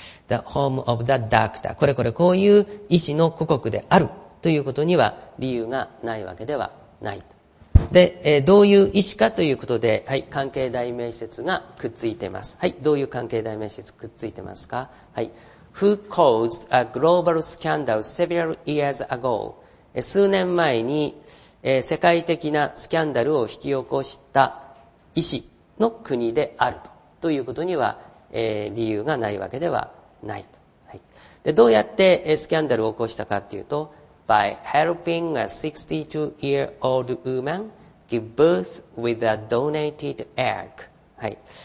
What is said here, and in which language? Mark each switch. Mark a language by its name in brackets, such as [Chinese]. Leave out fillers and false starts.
[English] The home of the doctor、 [Japanese] これこれこういう医師の故国であるということには理由がないわけではないと。で、どういう意思かということで、はい、関係代名詞がくっついてます。はい、どういう関係代名詞くっついてますか。 [English] はい、Who caused a global scandal several years ago? [Japanese] 数年前に、世界的なスキャンダルを引き起こした医師の国であるということには、理由がないわけではないと。はい、でどうやってスキャンダルを起こしたかというと、 [English] By helping a 62-year-old woman give birth with a donated egg、はい。